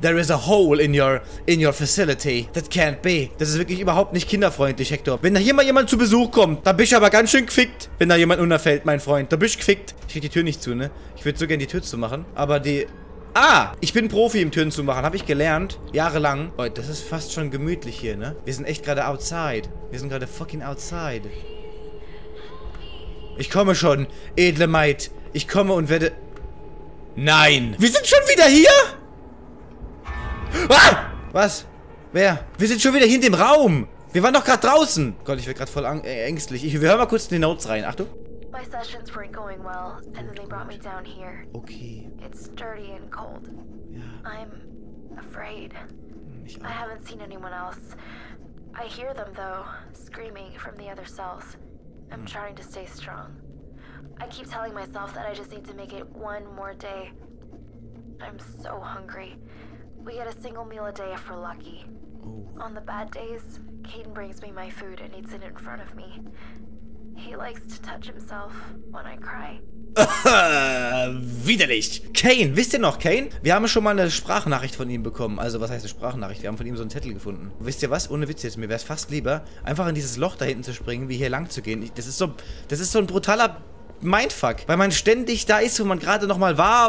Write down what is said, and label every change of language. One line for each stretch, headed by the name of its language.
English: There is a hole in your facility. That can't be.
German: Das ist wirklich überhaupt nicht kinderfreundlich, Hector. Wenn da hier mal jemand zu Besuch kommt, dann bist du aber ganz schön gefickt. Wenn da jemand unterfällt, mein Freund. Da bist du gefickt. Ich krieg die Tür nicht zu, ne? Ich würde so gerne die Tür zu machen. Aber die... Ah, ich bin Profi im Türen zu machen, habe ich gelernt, jahrelang. Boah, das ist fast schon gemütlich hier, ne? Wir sind echt gerade outside. Wir sind gerade
English: fucking outside.
German: Ich komme schon, edle Maid. Ich komme und werde... Nein! Wir sind schon wieder hier? Ah! Was? Wer? Wir sind schon wieder hier in dem Raum. Wir waren doch gerade draußen. Gott, ich werde gerade voll ängstlich. Wir hören mal kurz in die Notes rein. Achtung.
English: My sessions weren't going well, and then they brought me down here. Okay. It's dirty and cold. Yeah. I'm afraid. I haven't seen anyone else. I hear them, though, screaming from the other cells. I'm trying to stay strong. I keep telling myself that I just need to make it one more day. I'm so hungry. We get a single meal a day if we're lucky. Ooh. On the bad days, Caden brings me my food and eats it in front of me. He likes to touch himself when I cry.
German: Widerlich. Kane, wisst ihr noch, Kane? Wir haben schon mal eine Sprachnachricht von ihm bekommen. Also, was heißt eine Sprachnachricht? Wir haben von ihm so einen Zettel gefunden. Wisst ihr was? Ohne Witz jetzt. Mir wäre es fast lieber, einfach in dieses Loch da hinten zu springen, wie hier lang zu gehen. Das ist so ein brutaler Mindfuck. Weil man ständig da ist, wo man gerade nochmal war.